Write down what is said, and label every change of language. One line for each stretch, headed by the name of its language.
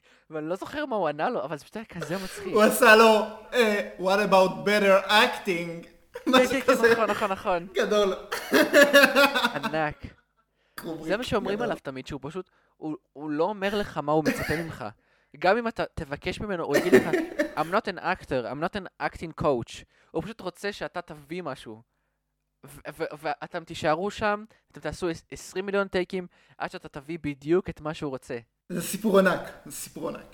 Hebrew: ואני לא זוכר מה הוא ענה לו, אבל זה פשוט היה כזה מצחיק.
English: הוא עשה לו, what about better acting?
Hebrew: משהו כזה. נכון, נכון, נכון. גדול. ענק. זה מה שאומרים עליו תמיד, שהוא פשוט, הוא לא אומר לך מה הוא מצפה ממך. גם אם אתה תבקש ממנו, הוא יגיד לך, I'm not an actor, I'm not an acting coach. הוא פשוט רוצה שאתה תביא משהו. ואתם תישארו שם, אתם תעשו 20 מיליון טייקים, עד שאתה תביא בדיוק את מה שהוא רוצה. זה סיפור ענק, זה סיפור ענק.